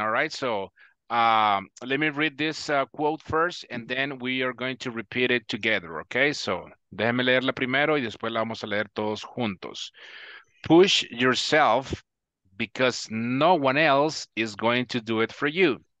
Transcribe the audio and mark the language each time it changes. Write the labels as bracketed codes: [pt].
[en] All right, so let me read this quote first, and then we are going to repeat it together, okay? [es] So, déjeme leerla primero y después la vamos a leer todos juntos. [en] Push yourself because no one else is going to do it for you.